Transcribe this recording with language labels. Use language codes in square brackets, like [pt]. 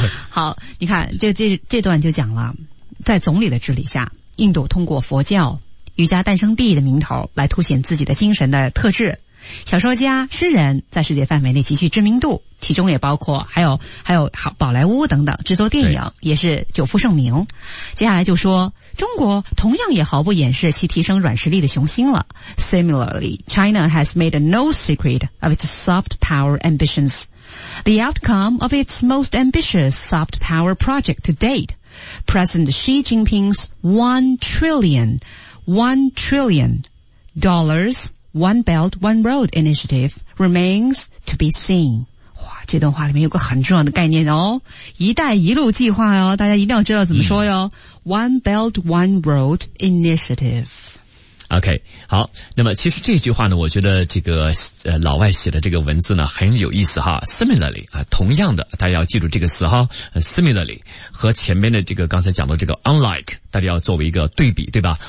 [zh] 好，你看这段就讲了，在总理的治理下，印度通过佛教瑜伽诞生地的名头来凸显自己的精神的特质。小说家诗人在世界范围内极具知名度，其中也包括还有宝莱坞等等，制作电影也是久负盛名。接下来就说中国同样也毫不掩饰其提升软实力的雄心了。 [en] Similarly, China has made no secret of its soft power ambitions. The outcome of its most ambitious soft power project to date, President Xi Jinping's $1 trillion One Belt, One Road Initiative remains to be seen. [zh] 哇，这段话里面有个很重要的概念哦，一带一路计划哦，大家一定要知道怎么说哟。 [en] One Belt, One Road Initiative。 [zh] OK, 好，那么其实这句话呢，我觉得这个老外写的这个文字呢很有意思哈。 Similarly, 啊，同样的，大家要记住这个词哈。Similarly, 和前面的这个刚才讲的这个 unlike, 大家要作为一个对比，对吧，